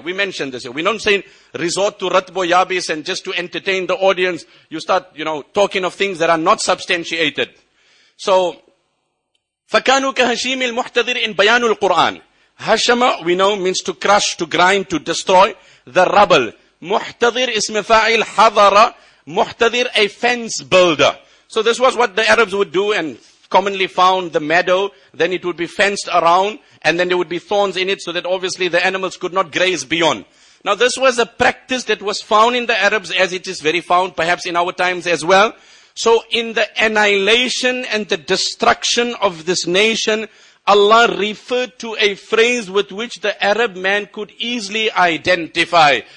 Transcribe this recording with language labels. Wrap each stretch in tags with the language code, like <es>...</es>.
<en>We don't say resort to ratbo yabis and just to entertain the audience, you start, you know, talking of things that are not substantiated. So,</en> <ar>فَكَانُوا كَهَشِيمِ الْمُحْتَذِرِ</ar> <en>in بَيَانُ الْقُرْآنِ Hashama, we know, means to crush, to grind, to destroy the rubble.</en> <ar>مُحْتَذِرِ اسْمِ فَاعِلْ حَذَرَ مُحْتَذِرِ</ar> <en>a fence builder. So this was what the Arabs would do and commonly found the meadow, then it would be fenced around, and then there would be thorns in it, so that obviously the animals could not graze beyond. Now this was a practice that was found in the Arabs, as it is very found perhaps in our times as well. So in the annihilation and the destruction of this nation, Allah referred to a phrase with which the Arab man could easily identify.</en>